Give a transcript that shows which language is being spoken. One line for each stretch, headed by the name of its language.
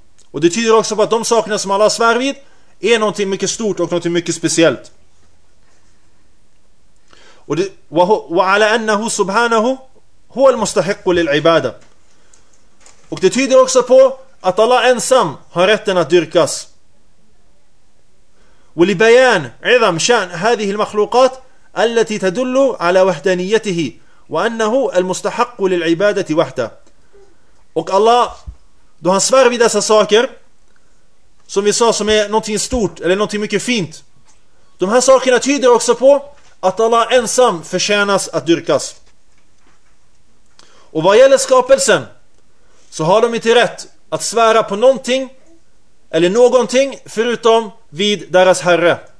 Swedish: Och det tyder också på att de sakerna som Allah svär vid är någonting mycket stort och någonting mycket speciellt. Och det
Arabic: wa ala annahu subhanahu huwa al-mustahiqqu lil-ibada.
Swedish: Och det tyder också på att Allah ensam har rätten att dyrkas.
Arabic: ولبيان عظم شأن هذه المخلوقات التي تدل على وحدانيته وأنه المستحق للعبادة وحده.
Swedish: Och Allah, då han svär vid dessa saker som vi sa, som är någonting stort eller någonting mycket fint, de här sakerna tyder också på att Allah ensam förtjänas att dyrkas. Och vad gäller skapelsen så har de inte rätt att svära på någonting eller någonting förutom vid deras herre.